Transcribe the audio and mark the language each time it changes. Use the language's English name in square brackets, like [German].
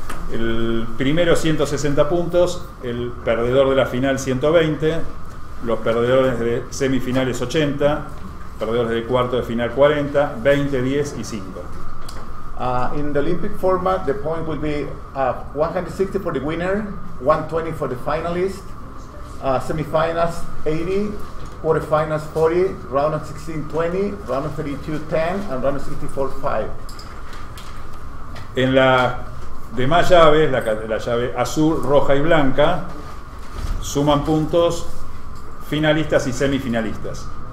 [Spanish] El primero 160 puntos, el perdedor de la final 120, los perdedores de semifinales 80, perdedores de cuarto de final 40, 20, 10 y 5. [English] In the Olympic format, the point will be 160 for the winner, 120 for the finalist, semifinals 80, quarterfinals 40, round of 16, 20, round of 32, 10, and round of 64, 5. [Spanish] En la demás llaves, la llave azul, roja y blanca, suman puntos finalistas y semifinalistas.